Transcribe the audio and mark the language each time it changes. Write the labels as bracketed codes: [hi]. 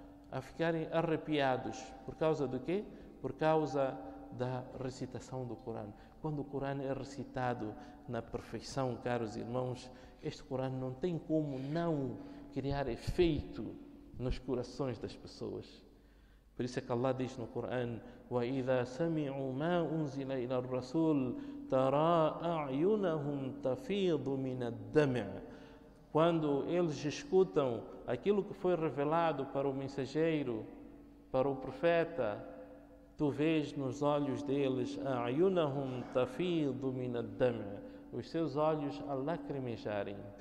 [pt] A ficarem arrepiados. Por causa do quê? Por causa da recitação do Corão. Quando o Corão é recitado na perfeição, caros irmãos, este Corão não tem como não criar efeito nos corações das pessoas. Por isso é que Allah diz no Corão: [ar] وَإِذَا سَمِعُوا مَا أُنزِلَ إِلَى الرَّسُولِ تَرَى أَعْيُنَهُمْ تَفِيضُ مِنَ الدَّمْعِ. [pt] Quando eles escutam aquilo que foi revelado para o mensageiro, para o profeta, tu vês nos olhos deles, [ar] أَعْيُنَهُمْ تَفِيضُ مِنَ الدَّمْعِ, [pt] os seus olhos a lacrimejarem.